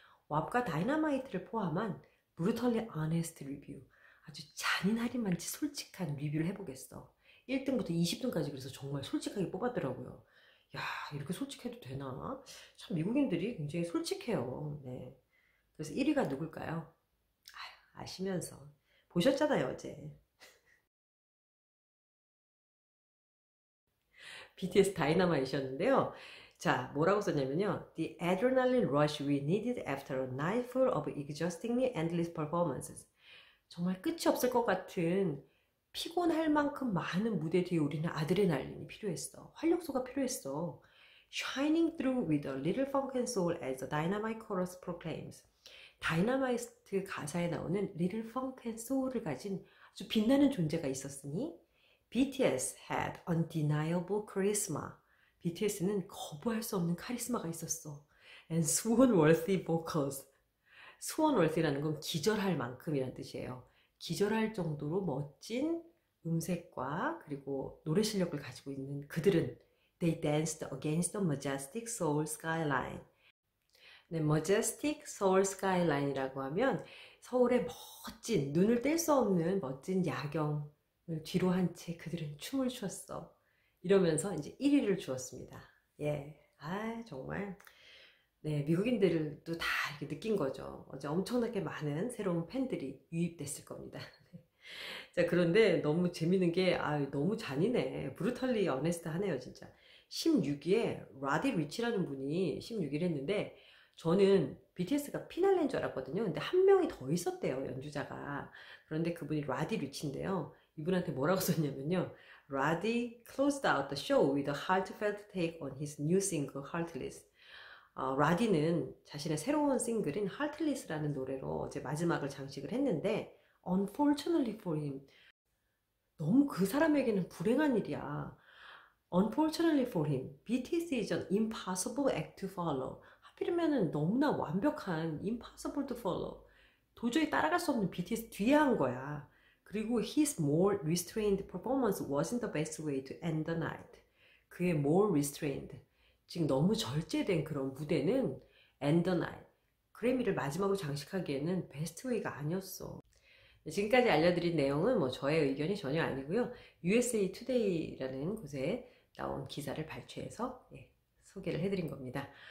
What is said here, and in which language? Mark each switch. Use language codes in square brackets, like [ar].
[ko] WAP과 Dynamite를 포함한 Brutally Honest Review. 아주 잔인하리만치 솔직한 리뷰를 해보겠어. 1등부터 20등까지 그래서 정말 솔직하게 뽑았더라고요. 야, 이렇게 솔직해도 되나? 참 미국인들이 굉장히 솔직해요. 네. 그래서 1위가 누굴까요? 아휴, 아시면서. 보셨잖아요, 어제. BTS 다이너마이트였는데요. 자, 뭐라고 썼냐면요. [en] The adrenaline rush we needed after a night full of exhaustingly endless performances. [ko] 정말 끝이 없을 것 같은 피곤할 만큼 많은 무대 뒤에 우리는 아드레날린이 필요했어. 활력소가 필요했어. [en] Shining through with a little funk and soul as the dynamite chorus proclaims. [ko] 다이너마이트 가사에 나오는 Little Funk and Soul을 가진 아주 빛나는 존재가 있었으니 [en] BTS had undeniable charisma. [ko] BTS는 거부할 수 없는 카리스마가 있었어. [en] And swoon-worthy vocals. [ko] swoon-worthy라는 건 기절할 만큼이란 뜻이에요. 기절할 정도로 멋진 음색과 그리고 노래 실력을 가지고 있는 그들은 [en] They danced against the majestic Seoul skyline. [ko] 네, Majestic Seoul Skyline이라고 하면 서울의 멋진, 눈을 뗄수 없는 멋진 야경을 뒤로 한채 그들은 춤을 추었어. 이러면서 이제 1위를 주었습니다. 예, 아, 정말. 네, 미국인들도 다 이렇게 느낀 거죠. 어제 엄청나게 많은 새로운 팬들이 유입됐을 겁니다. 자, 그런데 너무 재밌는 게, 아, 너무 잔인해. Brutally Honest 하네요, 진짜. 16위에 Roddy Ricch라는 분이 16위를 했는데, 저는 BTS가 피날레인 줄 알았거든요. 근데 한 명이 더 있었대요, 연주자가. 그런데 그분이 라디 리치인데요. 이분한테 뭐라고 썼냐면요. [en] Roddy closed out the show with a heartfelt take on his new single, Heartless. [ko] 라디는 자신의 새로운 싱글인 Heartless라는 노래로 어제 마지막을 장식을 했는데, [en] Unfortunately for him. [ko] 너무 그 사람에게는 불행한 일이야. [en] Unfortunately for him, BTS is an impossible act to follow. [ko] 필면은 너무나 완벽한 [en] impossible to follow. [ko] 도저히 따라갈 수 없는 BTS 뒤에 한 거야. 그리고 [en] his more restrained performance wasn't the best way to end the night. [ko] 그의 more restrained. 즉, 너무 절제된 그런 무대는 [en] end the night. [ko] 그래미를 마지막으로 장식하기에는 best way가 아니었어. 지금까지 알려드린 내용은 뭐 저의 의견이 전혀 아니고요. USA Today라는 곳에 나온 기사를 발췌해서 소개를 해드린 겁니다.